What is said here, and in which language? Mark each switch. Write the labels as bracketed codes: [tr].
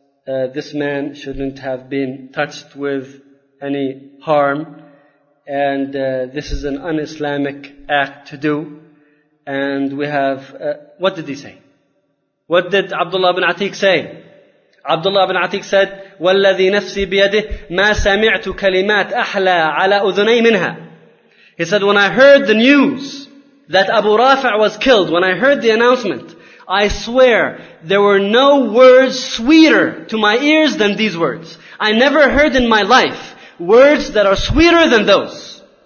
[en] This man shouldn't have been touched with any harm, and this is an un-Islamic act to do. And we have, what did he say? What did Abdullah ibn Atiq say? Abdullah ibn Atiq said, [ar] وَالَّذِي نَفْسِي بِيَدِهِ مَا سَمِعْتُ كَلِمَاتِ أَحْلَى عَلَى أُذُنَي مِنْهَا. [en] He said, when I heard the news that Abu Rafi' was killed, when I heard the announcement, I swear there were no words sweeter to my ears than these words. I never heard in my life words that are sweeter than those.